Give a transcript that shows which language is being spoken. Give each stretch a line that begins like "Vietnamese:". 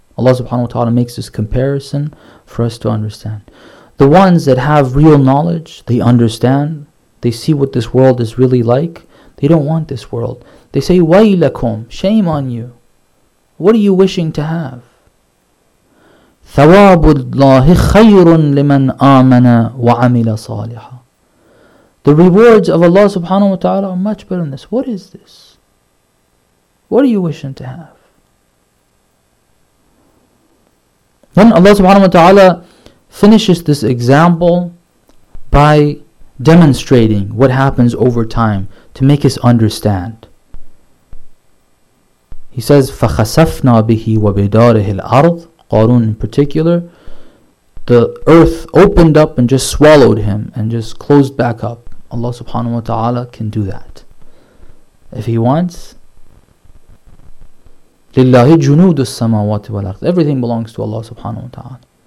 English: Allah subhanahu wa ta'ala makes this comparison for us to understand. The ones that have real knowledge, they understand, they see what this world is really like, they don't want this world. They say,
Arabic: وَيْلَكُمْ.
English: Shame on you. What are you wishing to have?
Arabic: ثواب الله خير لمن آمن وعمل صالحا.
English: The rewards of Allah subhanahu wa ta'ala are much better than this. What is this? What are you wishing to have? Then Allah subhanahu wa ta'ala finishes this example by demonstrating what happens over time to make us understand. He says,
Arabic: فَخَسَفْنَا بِهِ وَبِدَارِهِ الْأَرْضِ.
English: Qarun in particular, the earth opened up and just swallowed him and just closed back up. Allah subhanahu wa ta'ala can do that if he wants.
Arabic: لِلَّهِ جُنُودُ السَّمَاوَاتِ وَالْأَرْضِ.
English: Everything belongs to Allah subhanahu wa ta'ala.